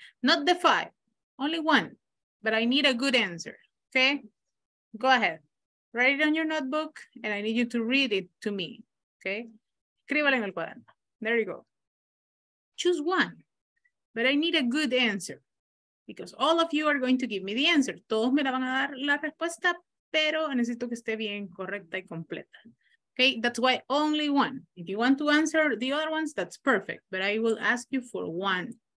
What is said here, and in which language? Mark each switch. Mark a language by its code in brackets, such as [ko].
[en] Not the five, only one. But I need a good answer, okay? Go ahead. Write it on your notebook, and I need you to read it to me, okay? [es] Escríbalo en el cuaderno. [en] There you go. Choose one, but I need a good answer because all of you are going to give me the answer. [es] Todos me la van a dar la respuesta, pero necesito que esté bien correcta y completa. [en] Okay, that's why only one. If you want to answer the other ones, that's perfect, but I will ask you for one.